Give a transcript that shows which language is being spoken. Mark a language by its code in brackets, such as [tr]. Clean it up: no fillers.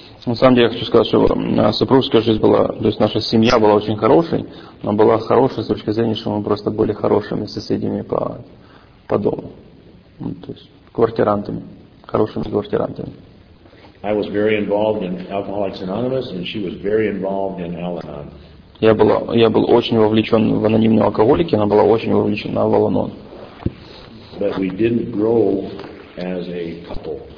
[ru] На самом деле, я хочу сказать, что супружеская жизнь была, то есть наша семья была очень хорошей, но была хорошей с точки зрения, что мы просто были хорошими соседями по дому, то есть квартирантами, хорошими квартирантами. [en] I was very involved in Alcoholics Anonymous, and she was very involved in Al-Anon. [ru] Я был очень вовлечен в анонимные алкоголики, она была очень вовлечена в Al-Anon. [en] But we didn't grow as a couple.